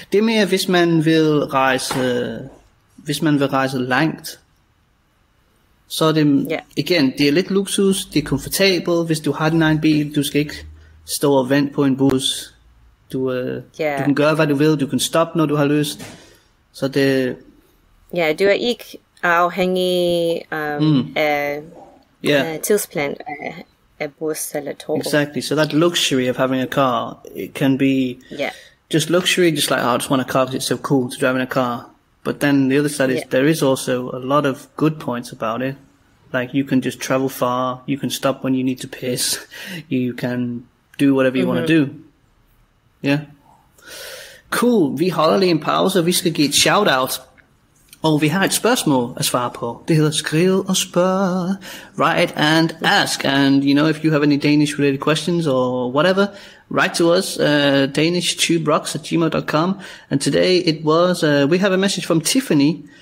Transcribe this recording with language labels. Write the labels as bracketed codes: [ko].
[da] Det er mere, hvis man vil rejse, langt, så er det, igen, det er lidt luksus, det er komfortabelt, hvis du har din egen bil, du skal ikke stå og vente på en bus. Du kan gøre, hvad du vil, du kan stoppe, når du har lyst. Så det... Ja, du er ikke afhængig af tidsplan af bus eller tog. [en] Exactly, so that luxury of having a car, it can be... Yeah. Just luxury, just like, I just want a car because it's so cool to drive in a car. But then the other side is there is also a lot of good points about it. Like you can just travel far, you can stop when you need to piss, you can do whatever you want to do. Yeah. Cool, [da] vi holder lige en pause, og vi skal give et shout-out. Og vi har et spørgsmål at svare på. Det hedder skriv og spørg. [en] Write and ask. And you know, if you have any Danish related questions or whatever, write to us, danishtuberocks@gmail.com. And today it was, we have a message from Tiffany.